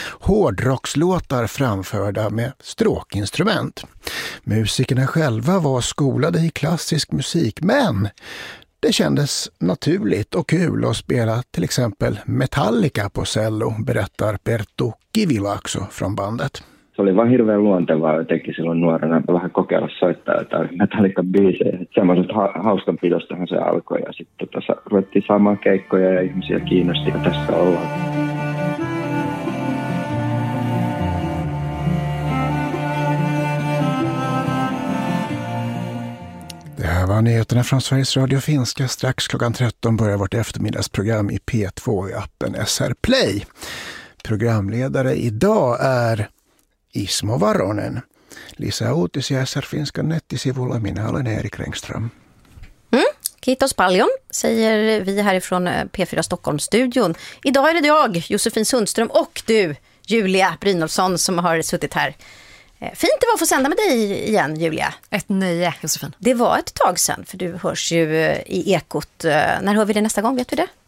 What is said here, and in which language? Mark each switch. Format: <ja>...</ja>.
<sv>Hårdrockslåtar framförda med stråkinstrument. Musikerna själva var skolade i klassisk musik, men det kändes naturligt och kul att spela till exempel Metallica på cello, berättar Perttu Kivilakso från bandet.</sv> <fi>Se oli vaan hirveän luontevaa jotenkin silloin nuorena vähän kokeilla soittaa jotain Metallica-biisejä. Semmoisesta hauskan pidostahan se alkoi ja sitten ruvettiin saamaan keikkoja ja ihmisiä kiinnosti ja tässä ollaan.</fi> <sv>Det här var nyheterna från Sveriges Radio Finska. Strax klockan 13 börjar vårt eftermiddagsprogram i P2 i appen SR Play. Programledare idag är Ismo Varonen.</sv> <fi>Lisa Otis i SR Finska nettisivulla. Minä olen Erik Rengström. Kiitos paljon,</fi> <sv>säger vi härifrån P4 Stockholm-studion. Idag är det jag, Josefin Sundström, och du, Julia Brynolfsson, som har suttit här. Fint det var att få sända med dig igen, Julia. Ett nöje, Josefin. Det var ett tag sedan, för du hörs ju i Ekot. När hör vi det nästa gång, vet du det?</sv>